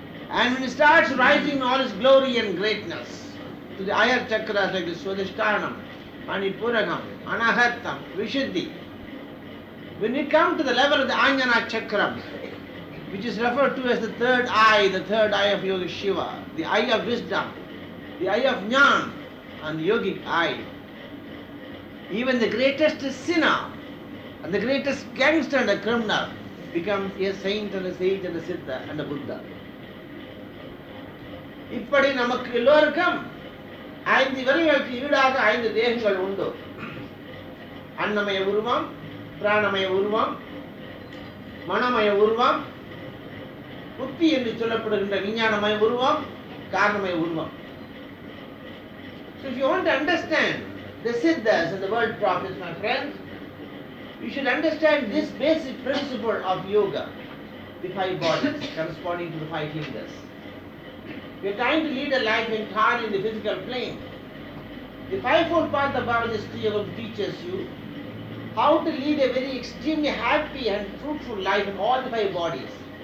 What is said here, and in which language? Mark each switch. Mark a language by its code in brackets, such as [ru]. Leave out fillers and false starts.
[en] And when it starts rising all its glory and greatness to the higher chakras like the Swadhisthanam, Manipuranam, Anahatam, Vishuddhi, when you come to the level of the Anjana Chakram, which is referred to as the third eye of Yogi Shiva, the eye of wisdom, the eye of Jnana, and the yogic eye, even the greatest sinner And the greatest gangster and a criminal becomes a saint and a sage and a siddha and a buddha. [ta] இப்படி நமக்கு எல்லோருக்கும் ஐந்து இவர்களுக்கு ஈடாக ஐந்து தேகங்கள் உண்டு. அன்னமய உருவம், பிராணமய உருவம், மனமய உருவம், புத்தி என்று சொல்லப்படுகின்ற விஞ்ஞானமய உருவம், காரணமய உருவம். [en] So if you want to understand the siddhas and the world prophets, my friends, you should understand this basic principle of yoga, the five bodies corresponding to the five fingers. We are trying to lead a life entirely in the physical plane. The fivefold path of Baba Jastriya teaches you how to lead a very extremely happy and fruitful life in all the five bodies.